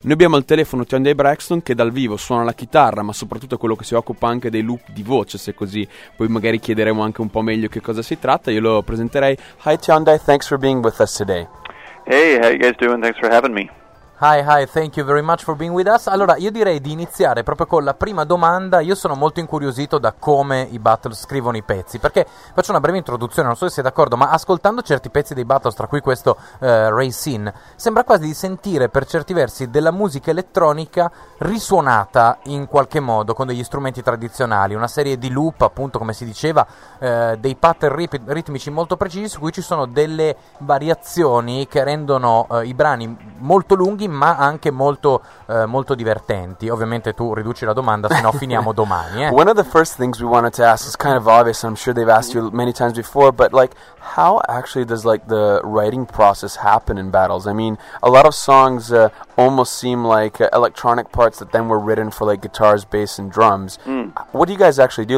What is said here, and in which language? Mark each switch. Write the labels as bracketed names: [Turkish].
[Italian] Noi abbiamo al telefono Tyondale Braxton, che dal vivo suona la chitarra, ma soprattutto quello che si occupa anche dei loop di voce, se così poi magari chiederemo anche un po' meglio che cosa si tratta. Io lo presenterei. [English] Hi Tyondale, thanks for being with us today. Hey, how you guys doing? Thanks for having me. Hi, thank you very much for being with us. [Italian] Allora, io direi di iniziare proprio con la prima domanda. Io sono molto incuriosito da come i Battles scrivono i pezzi, perché faccio una breve introduzione, non so se sei d'accordo, ma ascoltando certi pezzi dei Battles, tra cui questo Racine, sembra quasi di sentire per certi versi della musica elettronica risuonata in qualche modo con degli strumenti tradizionali, una serie di loop, appunto, come si diceva, dei pattern ritmici molto precisi, su cui ci sono delle variazioni che rendono i brani molto lunghi ma anche molto molto divertenti. Ovviamente tu riduci la domanda, sennò finiamo domani. [English] One of the first things we wanted to ask is kind of obvious, and I'm sure they've asked you many times before, but like, how actually does like the writing process happen in Battles? I mean, a lot of songs almost seem like electronic parts that then were written for like guitars, bass and drums. What do you guys actually do?